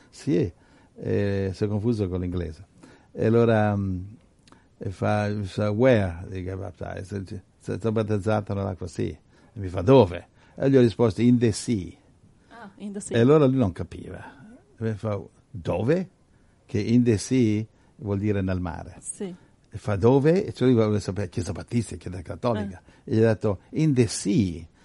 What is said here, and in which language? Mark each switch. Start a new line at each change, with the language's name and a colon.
Italian: Sì, si è confuso con l'inglese. E allora mi fa:
English: Where did you get baptized?
Italian: Sei stato battezzato nell'acqua? Sì. E mi fa: Dove? E gli ho risposto:
English: In the sea. Ah, in the sea.
Italian: E allora lui non capiva. E mi fa: Dove? Che
English: in the sea
Italian: vuol dire nel mare. Sì. E fa: Dove? E cioè lui voleva sapere, chiesa battista, chiesa cattolica. E gli ha detto:
English: In the sea.